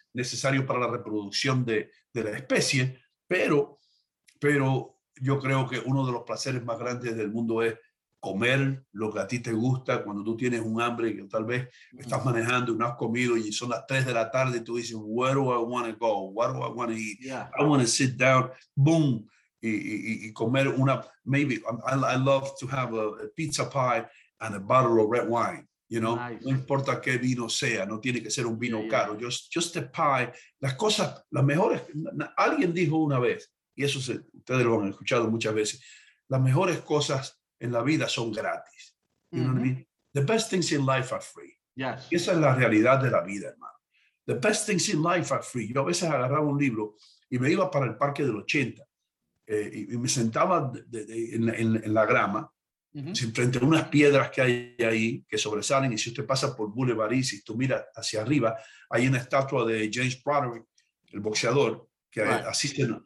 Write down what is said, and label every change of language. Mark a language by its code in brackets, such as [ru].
[es] necesario para la reproducción de la especie, pero yo creo que uno de los placeres más grandes del mundo es comer lo que a ti te gusta cuando tú tienes un hambre que tal vez estás manejando y no has comido y son las 3 de la tarde y tú dices, [en] where do I want to go? What do I want to eat? Yeah. I want to sit down, boom, [es] y comer una, [en] maybe, I love to have a pizza pie and a bottle of red wine, you know? Nice. [es] No importa qué vino sea, no tiene que ser un vino yeah, caro, yeah. [en] Just a pie. [es] Las cosas, las mejores, alguien dijo una vez, y eso ustedes lo han escuchado muchas veces, las mejores cosas en la vida son gratis. [en] You know mm-hmm. what I mean? The best things in life are free. Yes. [es] Esa es la realidad de la vida, hermano. [en] The best things in life are free. [es] Yo a veces agarraba un libro y me iba para el parque del 80 y me sentaba en la grama, mm-hmm. frente a unas piedras que hay ahí que sobresalen. Y si usted pasa por Boulevard y si tú miras hacia arriba, hay una estatua de James Broderick, el boxeador, que right. asiste.